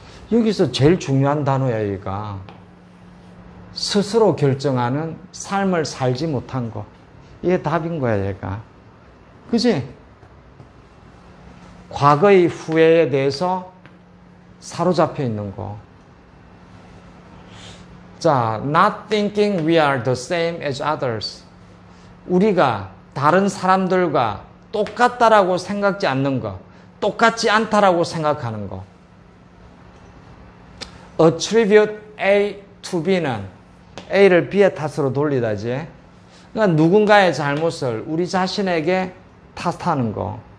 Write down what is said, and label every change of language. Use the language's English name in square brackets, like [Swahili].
[Korean] 여기서 제일 중요한 단어야, 얘가. 스스로 결정하는 삶을 살지 못한 거. 이게 답인 거야, 얘가. 그지? 과거의 후회에 대해서 사로잡혀 있는 거. [English] 자, not thinking we are the same as others. [Korean] 우리가 다른 사람들과 똑같다라고 생각지 않는 거. 똑같지 않다라고 생각하는 거. Attribute A to B 는 A를 B의 탓으로 돌리다지. 그러니까 누군가의 잘못을 우리 자신에게 탓하는 거.